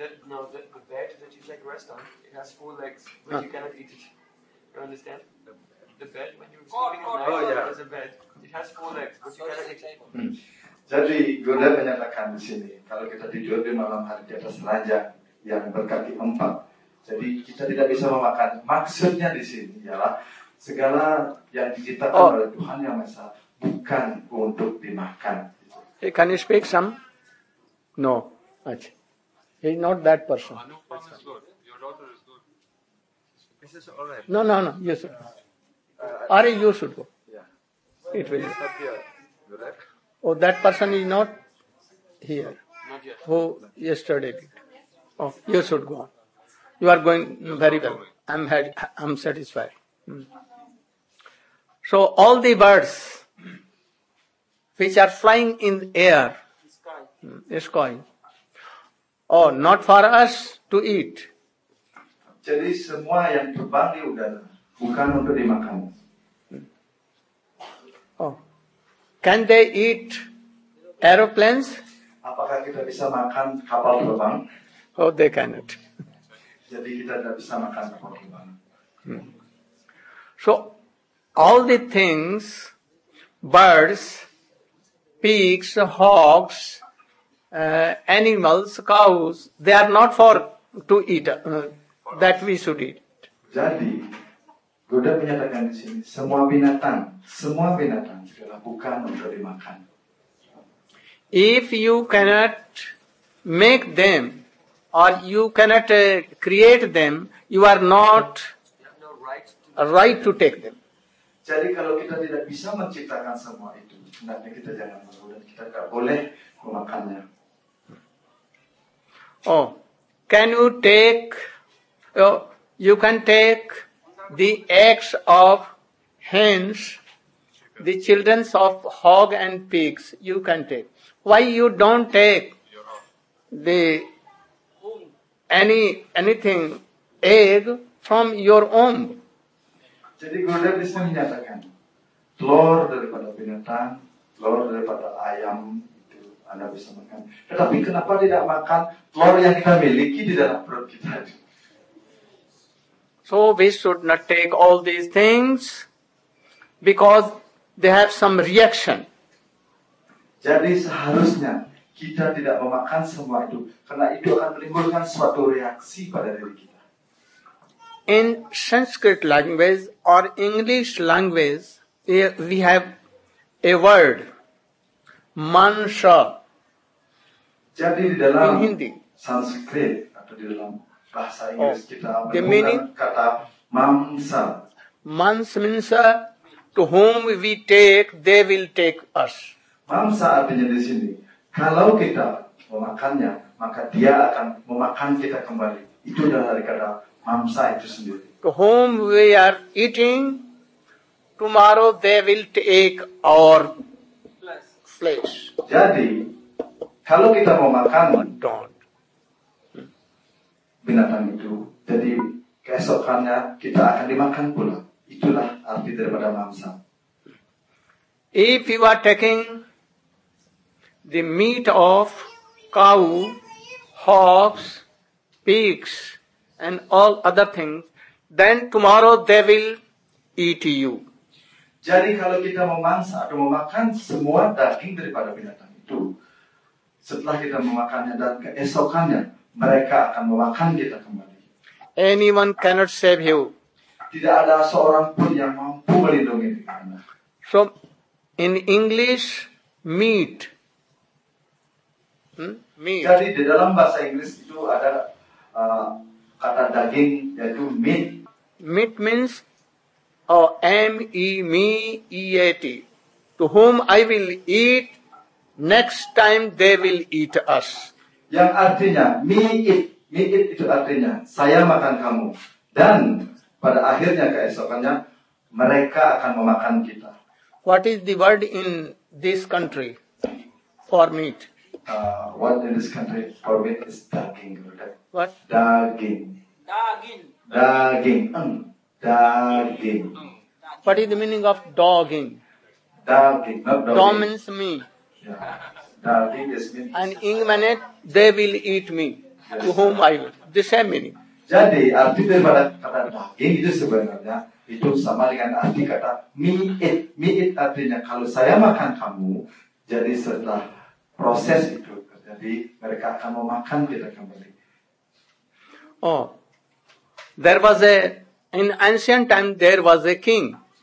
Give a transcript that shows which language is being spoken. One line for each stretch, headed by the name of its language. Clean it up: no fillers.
English: the bed that you like rest on, it has 4 legs, but you cannot eat it. You understand? The bed when you're sleeping at night, as a bed, it has 4 legs, but you cannot eat it.
Indonesian: Jadi Guru menyatakan di sini, kalau kita tidur di malam hari di atas ranjang yang berkaki 4, jadi kita tidak bisa memakan. Maksudnya di sini ialah segala yang diciptakan oleh Tuhan yang Maha Esa bukan untuk dimakan.
English: Hey, can you speak some? No. Achha. He's not that person. Anupam is good. Your daughter is good. Is this all right? No. You should. Ari, you should go. Yeah. It will. Not here. You right? Oh, that person is not here. Not yet. Who yesterday did. Oh, you should go on. You are going very well. I'm satisfied. So all the birds which are flying in air, sky, not for us to eat.
Indonesian: Jadi semua yang terbang di udara bukan untuk dimakan.
English: Can they eat aeroplanes?
Indonesian: Apakah kita bisa makan kapal terbang?
English: Oh, they cannot.
Indonesian: Jadi kita tidak bisa makan kapal terbang.
English: So, all the things, birds, pigs, hogs, animals, cows, they are not for to eat, that we should eat.
Indonesian: Jadi, Buddha menyatakan di sini, semua binatang, segala bukan untuk dimakan.
English: If you cannot make them, or you cannot create them, you are not a right to take them.
Indonesian: Jadi kalau kita tidak bisa menciptakan semua itu, Sebenarnya kita jangan malu dan kita tidak boleh memakannya.
English: Oh, can you take? Oh, you can take the eggs of hens, the children of hog and pigs. You can take. Why you don't take the anything egg from your own?
Indonesian: Jadi Gurudev bisa menyatakan telur daripada binatang, telur daripada ayam itu Anda bisa makan. Tetapi kenapa tidak makan telur yang kita miliki di dalam perut kita?
English: So we should not take all these things because they have some reaction.
Indonesian: Jadi seharusnya kita tidak memakan semua itu karena itu akan menimbulkan suatu reaksi pada diri kita.
English: In Sanskrit language or English language, we have a word, mansa.
Indonesian: Jadi di dalam
English: in Hindi.
Indonesian: Sanskrit atau di dalam bahasa Inggris kita menggunakan kata mansa.
English: Mans means to whom we take, they will take us.
Indonesian: Mansa artinya di sini, kalau kita memakannya, maka dia akan memakan kita kembali. Itu adalah dari kata mamsa itu sendiri.
English: To whom we are eating, tomorrow they will take our flesh.
Indonesian: Jadi, kalau kita mau makan binatang itu, jadi keesokannya kita akan dimakan pula. Itulah arti daripada mamsa.
English: If you are taking the meat of cow, hogs, pigs, and all other things, then tomorrow they will eat you.
Indonesian: Jadi kalau kita memangsa atau memakan semua daging daripada binatang itu, setelah kita memakannya dan keesokannya, mereka akan memakan kita kembali.
English: Anyone cannot save you.
Indonesian: Tidak ada seorang pun yang mampu melindungi kita.
English: So, in English, meat. Meat.
Indonesian: Jadi di dalam bahasa Inggris itu ada kata daging yaitu meat.
English: Meat means M-E-M-E-A-T. To whom I will eat, next time they will eat us.
Indonesian: Yang artinya meat itu artinya saya makan kamu dan pada akhirnya keesokannya mereka akan memakan kita.
English: What is the word in this country for meat? What in this country for meat is daging. What?
Indonesian: Daging. Daging. Daging. Daging.
English: What is the meaning of dogging?
Indonesian: Daging.
English: Dog means me. Yeah. Daging is me. And in a minute, they will eat me. Yes. To whom I will. The same meaning.
Indonesian: Jadi, arti daripada kata daging itu sebenarnya, itu sama dengan arti kata me eat. Me eat artinya, kalau saya makan kamu, jadi setelah proses itu terjadi, mereka akan memakan kita kembali.
English: Oh, in ancient time there was a king.